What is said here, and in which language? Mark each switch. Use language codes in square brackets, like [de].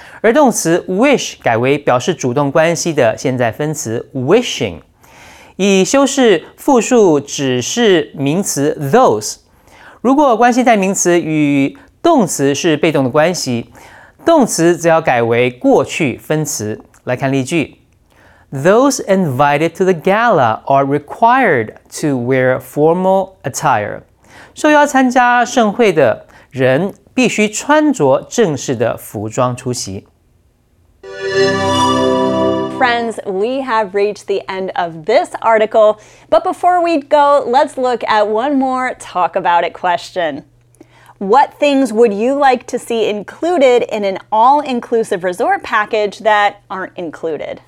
[zh] 而动词 wish 改为表示主动关系的现在分词 wishing， 以修饰复数指示名词 those。如果关系代名词与动词是被动的关系，动词则要改为过去分词。来看例句 [en] ：Those invited to the gala are required to wear formal attire。 [zh] 受邀参加盛会的人必须穿着正式的服装出席。 [en] Friends, we have reached the end of this article, but before we go, let's look at one more talk about it question. What things would you like to see included in an all-inclusive resort package that aren't included?